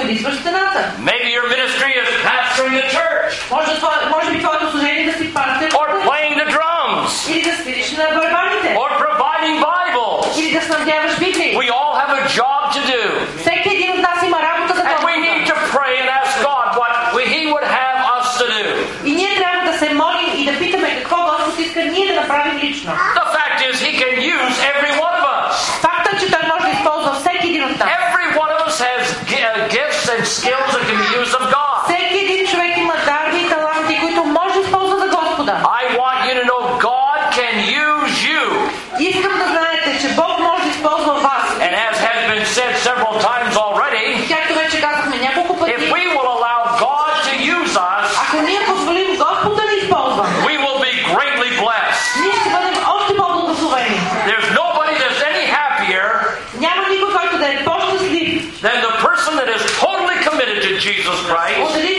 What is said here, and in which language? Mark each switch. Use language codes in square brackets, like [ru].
[bg] някой да извърши стената. [en] Maybe your ministry is pastoring the church. [bg] Може би твоето служение да си пастор. [en] Or playing the drums. [bg] Или да свириш на барабаните. [en] Or providing Bibles. [bg] Или да снабдяваш Библии. [en] We all have a job to do. [bg] Всеки един от нас има работа за това. [en] And we need to pray and ask God what He would have us to do. [bg] И ние трябва да се молим и да питаме какво Господ иска ние да направим лично. [en] The fact is He can use every one of us. [bg] Фактът, че Той може да използва всеки един от нас. [en] Every one of us has gifts and skills that can be used of God. [bg] Всеки един човек има дарби и таланти, които може да използва за Господа. [en] I want you to know God can use you. [bg] Искам да знаете, че Бог може да използва вас. [en] And as has been said several times already, [bg] както вече казахме няколко пъти, [en] if we will allow God to use us, [bg] ако ние позволим Господ да ни използва, [en] we will be greatly blessed. [bg] Ние ще бъдем още по-благословени. [en] There's nobody that's any happier [bg] няма никой, който да е по-щастлив [en] than the person that is totally committed to Jesus Christ.